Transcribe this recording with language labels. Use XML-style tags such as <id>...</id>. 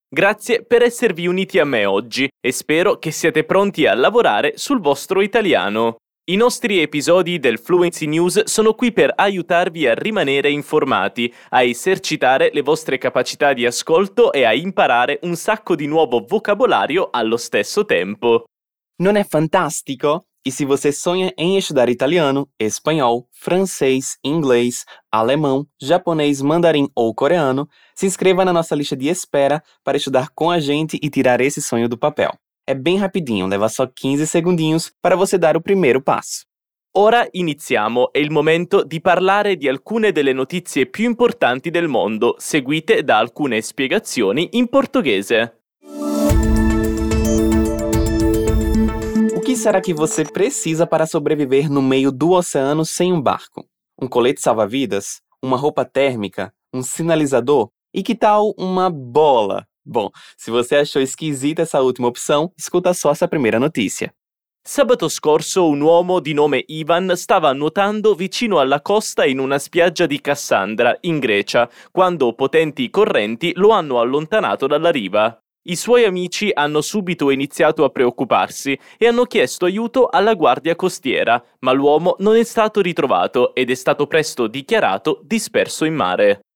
<it>Grazie per esservi uniti a me oggi e spero che siate pronti a lavorare sul vostro italiano. I nostri episodi del Fluency News sono qui per aiutarvi a rimanere informati, a esercitare le vostre capacità di ascolto e a imparare un sacco di nuovo vocabolario allo stesso tempo. Non è fantastico?</it> <pt>E se você sonha em estudar italiano, espanhol, francês, inglês, alemão, japonês, mandarim ou coreano, se inscreva na nossa lista de espera para estudar com a gente e tirar esse sonho do papel. È ben rapidinho, leva só 15 segundinhos para você dar o primeiro passo.</pt> <it>Ora iniziamo, è il momento di parlare di alcune delle notizie più importanti del mondo, seguite da alcune spiegazioni in portoghese.</it> <pt>O que será que você precisa para sobreviver no meio do oceano sem um barco? Um colete salva-vidas? Uma roupa térmica? Um sinalizador? E que tal uma bola? Bom, se você achou esquisita essa última opção, escuta só essa primeira notícia.</pt> <it>Sabato scorso, un uomo di nome Ivan stava nuotando vicino alla costa in una spiaggia di Cassandra, in Grecia, quando potenti correnti lo hanno allontanato dalla riva. I suoi amici hanno subito iniziato a preoccuparsi e hanno chiesto aiuto alla guardia costiera, ma l'uomo non è stato ritrovato ed è stato presto dichiarato disperso in mare.</it>